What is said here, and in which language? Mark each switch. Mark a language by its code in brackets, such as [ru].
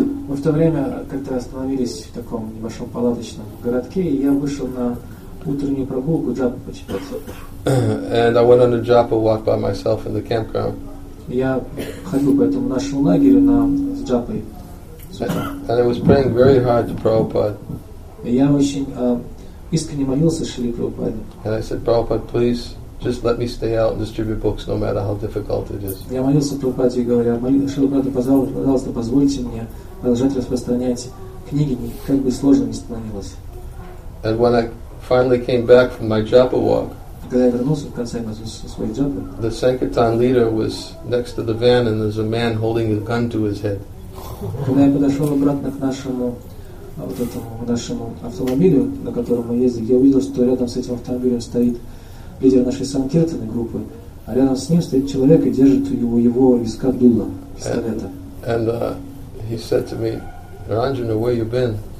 [ru] В то время как-то остановились в таком небольшом палаточном городке, и я вышел на утреннюю прогулку джапу почитать. [en] And I went on a japa walk by myself in the campground. [ru] Я ходил по этому нашему лагерю на с джапой. [en] And I was praying very hard to Prabhupada. [ru] Я очень искренне молился Шри Прабхупаде. [en] And I said, Prabhupada, please just let me stay out and distribute books, no matter how difficult it is. [ru] Я молился Прабхупаде и говорю, Шри Прабхупада, пожалуйста, позвольте мне продолжать распространять книги, как бы сложно ни становилось. [en] And when I finally came back from my japa walk, [ru] когда я вернулся в конце своей джапы, [en] the Sankirtan leader was next to the van, and there's a man holding a gun to his head. [ru] Когда я подошел обратно к нашему вот этому нашему автомобилю, на котором мы ездили, я увидел, что рядом с этим автомобилем стоит лидер нашей санкиртаны группы, а рядом с ним стоит человек и держит его виска дуло пистолета. [en] And he said to me, Ranjana, where you been?